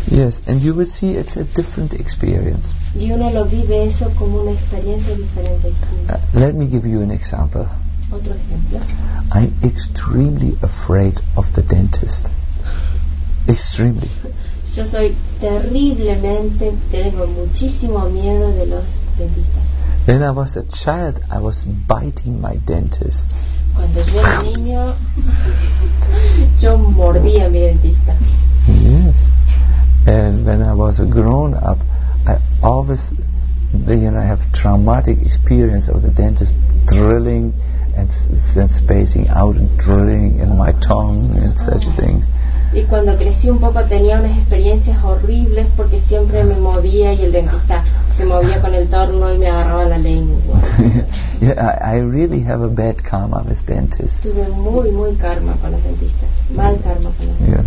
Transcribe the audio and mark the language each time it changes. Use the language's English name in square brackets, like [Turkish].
[English] Yes, and you will see it's a different experience. [Spanish] Y uno lo vive eso como una experiencia diferente. [English] Let me give you an example. [Spanish] Otro ejemplo. [English] I'm extremely afraid of the dentist. Extremely. [Spanish] Yo soy terriblemente, tengo muchísimo miedo de los dentistas. [English] When I was a child, I was biting my dentist. [Spanish] Cuando yo era niño, yo mordía a mi dentista. [English] Yes. And when I was a grown up, I always, you know, have traumatic experience of the dentist drilling and spacing out and drilling in my tongue and such things. [Spanish] Y cuando crecí un poco tenía unas experiencias horribles porque siempre me movía y el dentista se movía con el torno y me agarraba la lengua. [English] Yeah, I really have a bad karma with dentists. [Spanish] Tuve muy, muy karma con los dentistas. Mal karma con los dentistas.